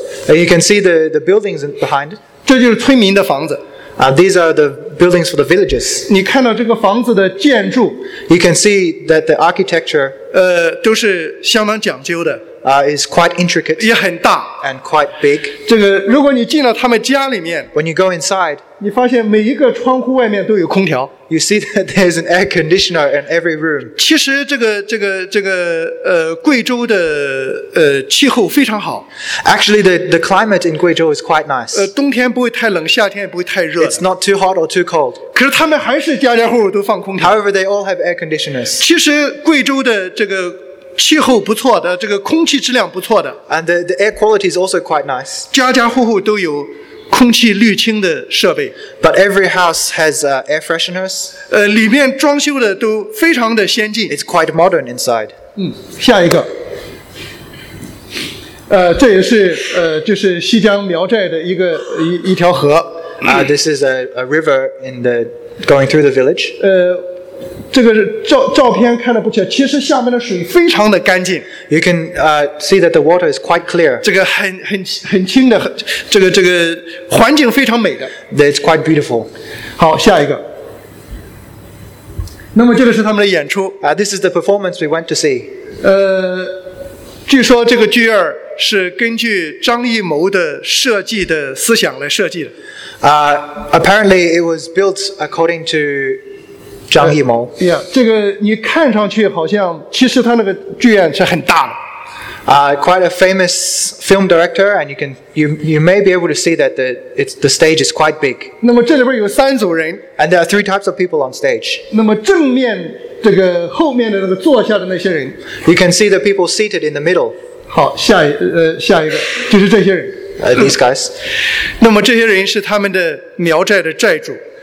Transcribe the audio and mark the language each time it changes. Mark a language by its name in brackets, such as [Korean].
[English] You can see the buildings behind. [Chinese] 这就是村民的房子。 [English] These are the buildings for the villages. [Chinese] 你看到这个房子的建筑。 [English] You can see that the architecture. [Chinese] 都是相当讲究的。 [English] Is quite intricate. [Chinese] 也很大。 [English] And quite big. [Chinese] 这个如果你进了他们家里面。 [English] When you go inside. [Chinese] 你发现每一个窗户外面都有空调。 [English] You see that there's an air conditioner in every room. [Chinese] 其实这个贵州的气候非常好。 [English] Actually, the climate in Guizhou is quite nice. [Chinese] 冬天不会太冷，夏天也不会太热。 [English] It's not too hot or too cold. [Chinese] 可是他们还是家家户户都放空调。 [English] However, they all have air conditioners. [Chinese] 其实贵州的这个气候不错的，这个空气质量不错的。 [English] And the air quality is also quite nice. [Chinese] 家家户户都有。空气滤清的设备。 [English] But every house has air fresheners. [Chinese] 里面装修的都非常的先进。 [English] It's quite modern inside. [Chinese] 下一个。这也是就是西江苗寨的一条河。 [English] This is a river in the going through the village. [Chinese] 这个照片看得不清，其实下面的水非常的干净。 [English] You can see that the water is quite clear. [Chinese] 这个很清的，这个环境非常美的。 [English] That is quite beautiful. [Chinese] 好，下一个。那么这个是他们的演出。 [English] This is the performance we went to see. [Chinese] 据说这个剧院是根据张艺谋的设计的思想来设计的。 [English] Apparently it was built according to. [Chinese] 张艺谋。 Yeah, 这个你看上去好像，其实他那个剧院是很大的。 [English] Quite a famous film director, and you may be able to see that the stage is quite big. [Chinese] 那么这里边有三组人。 [English] And there are three types of people on stage. [Chinese] 那么正面这个后面的那个坐下的那些人。 [English] You can see the people seated in the middle. [Chinese] 好，下一个就是这些人。 [English] These guys. [Chinese] 那么这些人是他们的苗寨的寨主。